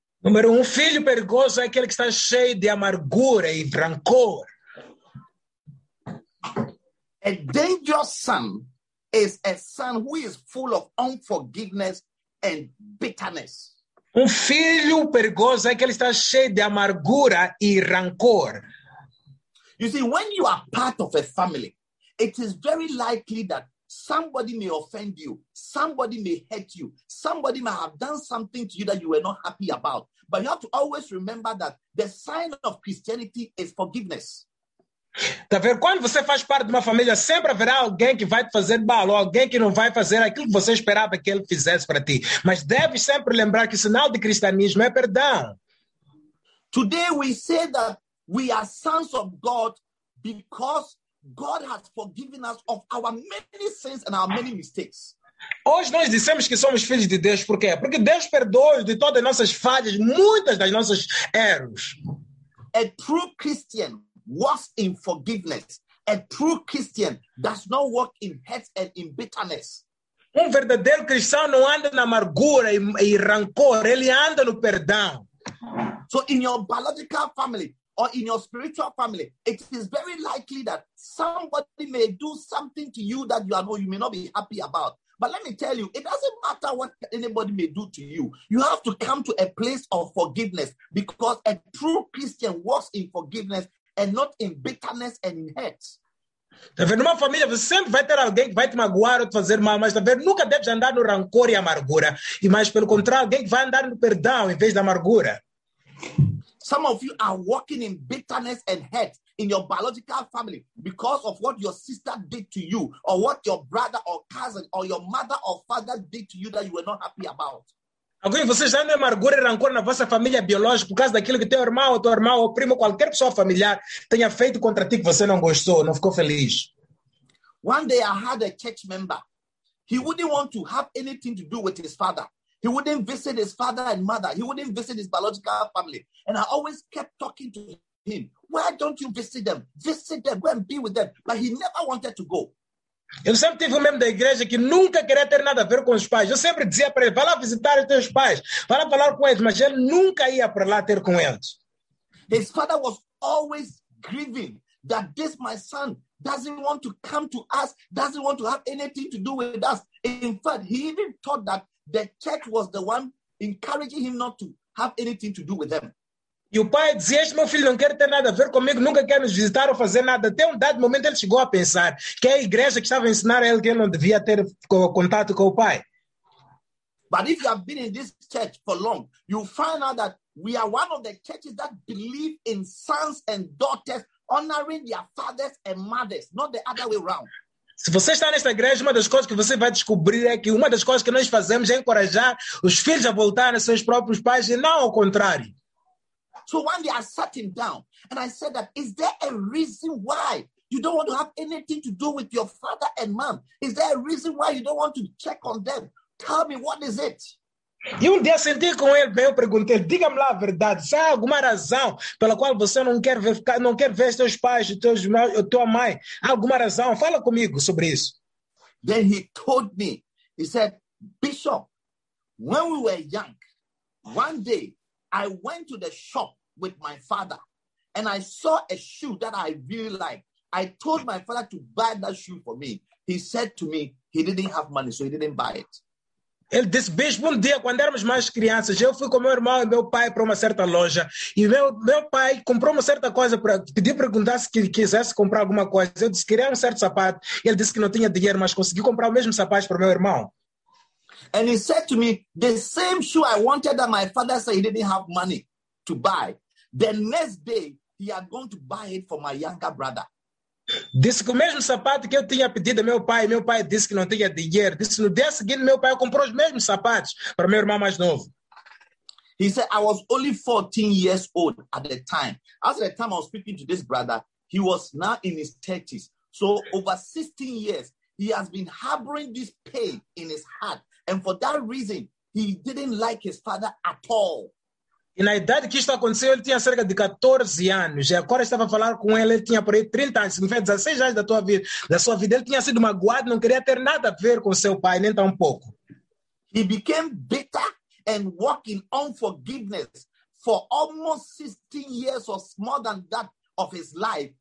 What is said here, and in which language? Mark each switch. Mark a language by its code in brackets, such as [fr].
[pt] Número um, filho perigoso é aquele que está cheio de amargura e rancor. [en] A dangerous son is a son who is full of unforgiveness and bitterness. [pt] Filho perigoso é aquele que está cheio de amargura e rancor. [en] You see, when you are part of a family It is very likely that somebody may offend you. Somebody may hurt you. Somebody may have done something to you that you were not happy about. But you have to always remember that the sign of Christianity is forgiveness. [pt] Tá vendo? Quando você faz parte de uma família, sempre haverá alguém que vai te fazer mal ou alguém que não vai fazer aquilo que você esperava que ele fizesse para ti. Mas deve sempre lembrar que o sinal de cristianismo é perdão. [en] Today we say that we are sons of God because God has forgiven us of our many sins and our many mistakes. [pt] Hoje nós dissemos que somos filhos de Deus, por quê? Porque Deus perdoa de todas as nossas falhas, muitas das nossas erros. [en] A true Christian walks in forgiveness. A true Christian does not walk in hate and in bitterness. [pt] Verdadeiro cristão não anda na amargura e rancor, ele anda no perdão. [en] So in your biological family or in your spiritual family, it is very likely that somebody may do something to you that you may not be happy about. But let me tell you, it doesn't matter what anybody may do to you. You have to come to a place of forgiveness because a true Christian walks in forgiveness and not in bitterness and in hate. [pt] Tá vendo? Numa família, você sempre vai ter alguém que vai te magoar ou te fazer mal, mas tá vendo? Nunca deves andar no rancor e amargura. E mais pelo contrário, alguém que vai andar no perdão em vez da amargura. [en] Some of you are walking in bitterness and hate in your biological family because of what your sister did to you or what your brother or cousin or your mother or father did to you that you were not happy about. [pt] Alguém de vocês andam em amargura e rancor na vossa família biológica por causa daquilo que teu irmão ou tua irmã ou primo, qualquer pessoa familiar tenha feito contra ti que você não gostou, não ficou feliz. [en] One day I had a church member. He wouldn't want to have anything to do with his father. He wouldn't visit his father and mother. He wouldn't visit his biological family. And I always kept talking to him. Why don't you visit them? Visit them. Go and be with them. But he never wanted to go. [pt] Eu sempre tive um membro da igreja que nunca queria ter nada a ver com os pais. Eu sempre dizia para ele, vai lá visitar os teus pais. Vai lá falar com eles. Mas ele nunca ia para lá ter com eles. [en] His father was always grieving that this my son doesn't want to come to us, doesn't want to have anything to do with us. In fact, he even thought that the church was the one encouraging him not to have anything to do with them. [pt] E o pai dizia, este meu filho não quer ter nada a ver comigo, nunca quer nos visitar ou fazer nada. Até dado momento ele chegou a pensar que a igreja que estava a ensinar a ele que ele não devia ter contato com o pai. [en] But if you have been in this church for long, you find out that we are one of the churches that believe in sons and daughters honoring their fathers and mothers, not the other way around. [pt] Se você está nesta igreja, uma das coisas que você vai descobrir é que uma das coisas que nós fazemos é encorajar os filhos a voltarem aos seus próprios pais e não ao contrário. [en] So one day I sat him down and I said that, is there a reason why you don't want to have anything to do with your father and mom? Is there a reason why you don't want to check on them? Tell me, what is it? [pt] E dia senti com ele, bem, eu perguntei, diga-me lá a verdade, se há alguma razão pela qual você não quer ver seus pais, tua mãe, há alguma razão? Fala comigo sobre isso. [en] Then he told me, he said, Bishop, when we were young, one day I went to the shop with my father and I saw a shoe that I really liked. I told my father to buy that shoe for me. He said to me, he didn't have money, so he didn't buy it. [pt] Ele disse, bispo, dia, quando éramos mais crianças, eu fui com meu irmão e meu pai para uma certa loja. E meu pai comprou uma certa coisa, pediu perguntar se quisesse comprar alguma coisa. Eu disse, queria um certo sapato. Ele disse que não tinha dinheiro, mas consegui comprar o mesmo sapato para meu irmão. [en] And he said to me, the same shoe I wanted that my father said he didn't have money to buy. The next day, he had gone to buy it for my younger brother. [pt] Disse que o mesmo sapato que eu tinha pedido ao meu pai disse que não tinha dinheiro. Disse no dia seguinte, meu pai comprou os mesmos sapatos para meu irmão mais novo. [en] He said, I was only 14 years old at the time. As the time I was speaking to this brother, he was now in his 30s. So over 16 years, he has been harboring this pain in his heart. And for that reason, he didn't like his father at all. [pt] E na idade que isto aconteceu, ele tinha cerca de 14 anos. E agora estava a falar com ele tinha por aí 30 anos. Significa 16 anos da sua vida. Ele tinha sido magoado, não queria ter nada a ver com seu pai, nem tão pouco. [en] He became bitter and walked in unforgiveness for almost 16 years or more than that of his life.